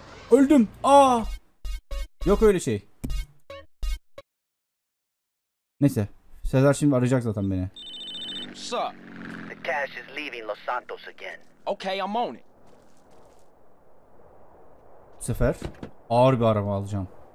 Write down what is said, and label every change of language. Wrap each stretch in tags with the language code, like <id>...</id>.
<tr>Öldüm. Aa! Yok öyle şey. Neyse, Sezar şimdi arayacak zaten beni.</tr> <en>Sup? The cash is leaving Los Santos again. Okay, I'm on it.</en> <tr>Bu sefer ağır bir araba alacağım.</tr>